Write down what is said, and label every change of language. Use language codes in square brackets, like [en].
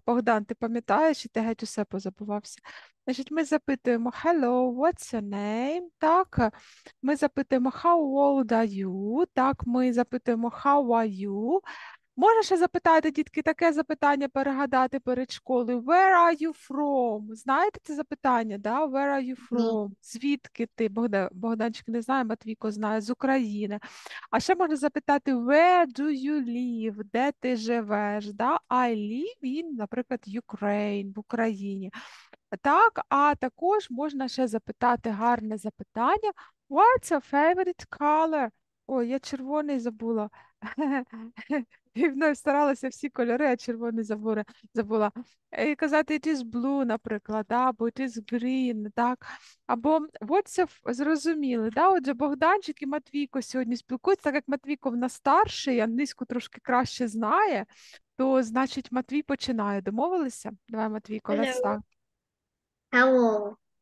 [uk] Богдан, ти пам'ятаєш, і ти геть усе позабувався. Значить, ми запитуємо [en] «Hello, what's your name?» [uk] Так, ми запитуємо [en] «How old are you?» [uk] Так, ми запитуємо [en] «How are you?» [uk] Можна ще запитати, дітки, таке запитання перегадати перед школою. [en] «Where are you from?» [uk] Знаєте це запитання, да? «Where are you from?» Звідки ти, Богданчик, не знає, Матвійко знає, з України. А ще можна запитати [en] «Where do you live?» [uk] Де ти живеш, да? [en] «I live in», [uk] наприклад, «Ukraine», в Україні. Так, а також можна ще запитати гарне запитання. [en] What's your favorite color? [uk] Ой, я червоний забула. І вона старалася всі кольори, а червоний забула. І казати [en] it is blue, [uk] наприклад, або [en] it is green, [uk] так. Або [en] what's your, [uk] зрозуміли, да? Отже, Богданчик і Матвійко сьогодні спілкуються, так як Матвійко в нас старший, Аниську трошки краще знає, то значить Матвій починає. Домовилися? Давай, Матвійко, [en] let's [uk] Hello. start. Hello.